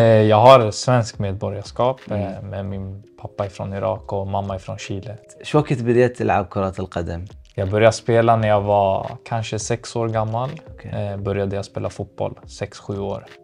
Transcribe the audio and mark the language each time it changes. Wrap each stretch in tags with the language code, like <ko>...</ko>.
<sv>Jag har svensk medborgarskap men min pappa är från Irak och mamma är från Chile.</sv> <ar>شوكت بديت تلعب كرة القدم؟</ar> <sv>Jag började spela när jag var kanske 6 år gammal. Började jag spela fotboll 6-7 år.</sv>